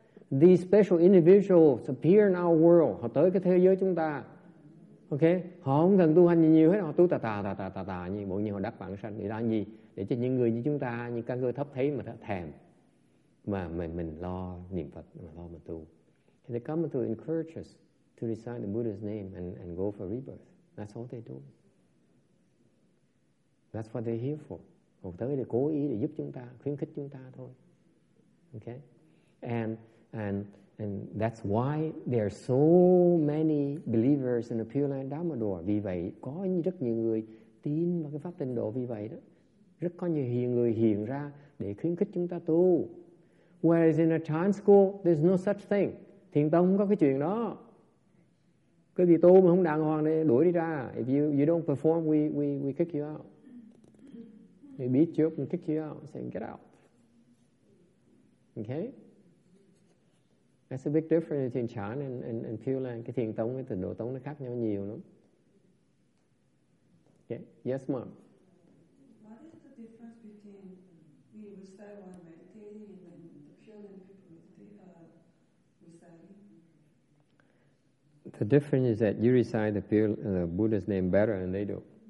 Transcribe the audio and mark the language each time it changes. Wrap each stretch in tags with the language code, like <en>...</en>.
<en>These special individuals appear in our world.</en> <vi>Họ tới cái thế giới chúng ta. Okay, họ không cần tu hành nhiều hết, họ tu tà như bộ như họ đắc vãng sanh để ra gì? Để cho những người như chúng ta, những căn cơ thấp thấy mà thèm, mà mình lo niệm Phật, mà lo mà tu.</vi> <en>And they come to encourage us to recite the Buddha's name and go for rebirth. That's all they do. That's what they're here for.</en> <vi>Họ tới để cố ý để giúp chúng ta, khuyến khích chúng ta thôi.</vi> <en>Okay, and that's why there are so many believers in the Pure Land Dharma Door.</en> <vi>Vì vậy có rất nhiều người tin vào cái pháp Tịnh Độ, vì vậy đó rất có nhiều người hiện ra để khuyến khích chúng ta tu.</vi> <en>Whereas in a Chan school there's no such thing.</en> <vi>Thiền tông không có cái chuyện đó. Cứ vì tu mà không đàng hoàng thì đuổi đi ra.</vi> <en>If you don't perform, we kick you out. We beat you up and kick you out, saying get out. Okay? That's a big difference between Chan and Pure Land.</en> <vi>Cái thiền tông với Tịnh Độ tông nó khác nhau nhiều lắm.</vi> <en>Okay. Yes, ma'am. What is the difference between we study while meditating and the Pure Land people reciting? The difference is that you recite the Pure the Buddha's name better than they do.</en>